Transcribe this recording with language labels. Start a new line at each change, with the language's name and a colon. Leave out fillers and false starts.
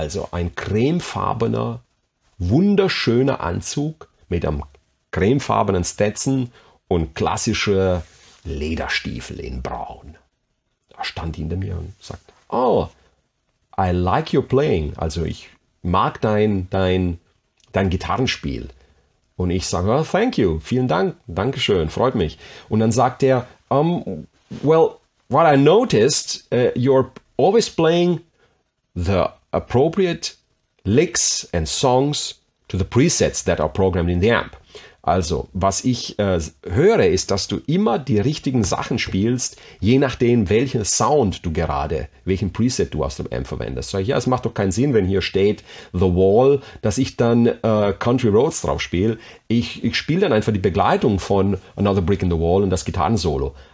German: Also ein cremefarbener, wunderschöner Anzug mit einem cremefarbenen Stetson und klassische Lederstiefel in Braun. Da stand hinter mir und sagt:
English: Oh, I like your playing.
German: Also ich mag dein Gitarrenspiel. Und ich sage,
English: well, thank you,
German: vielen Dank, Dankeschön, freut mich. Und dann sagt er,
English: well, what I noticed, you're always playing the appropriate licks and songs to the presets that are programmed in the amp.
German: Also, was ich höre, ist, dass du immer die richtigen Sachen spielst, je nachdem, welchen Sound du gerade, welchen Preset du aus dem Amp verwendest. Sag ich, ja, es macht doch keinen Sinn, wenn hier steht The Wall, dass ich dann Country Roads drauf spiele. Ich spiele dann einfach die Begleitung von Another Brick in the Wall und das Gitarrensolo.